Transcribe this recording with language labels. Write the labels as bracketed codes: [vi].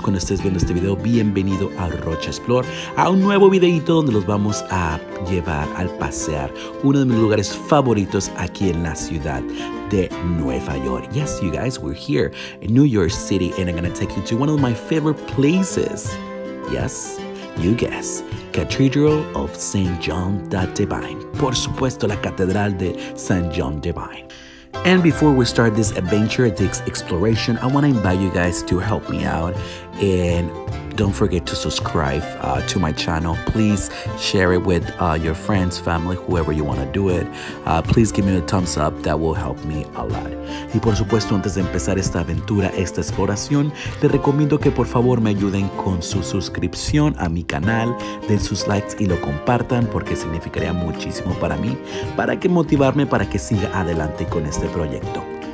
[es] Cuando estés viendo este video, bienvenido a Rocha Explore, a un nuevo videito donde los vamos a llevar al pasear uno de mis lugares favoritos aquí en la ciudad de Nueva York. [en] Yes, you guys, we're here in New York City, and I'm going to take you to one of my favorite places. Yes, you guess. Cathedral of Saint John Devine. [es] Por supuesto, la Catedral de Saint John Devine. [en] And before we start this adventure, this exploration, I want to invite you guys to help me out. And don't forget to subscribe to my channel. Please share it with your friends, family, whoever you want to do it. Please give me a thumbs up. That will help me a lot. [es] Y por supuesto, antes de empezar esta aventura, esta exploración, les recomiendo que por favor me ayuden con su suscripción a mi canal, den sus likes y lo compartan, porque significaría muchísimo para mí, para que motivarme para que siga adelante con este proyecto.